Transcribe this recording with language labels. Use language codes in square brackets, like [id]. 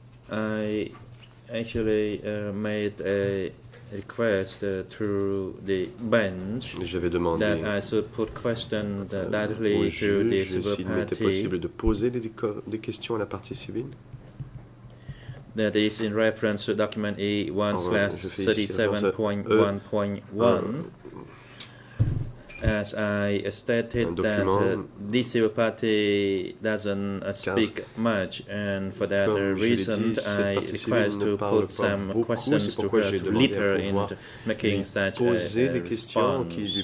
[en] I actually made a request to the bench that I should put questions directly to the civil party. [fr] Est-ce qu'il était possible de poser des questions à la partie civile? [en] That is in reference to document E1/37.1.1. As I stated that this civil party doesn't speak much, and for that reason, I request to put some questions to her to lead her in making such a response.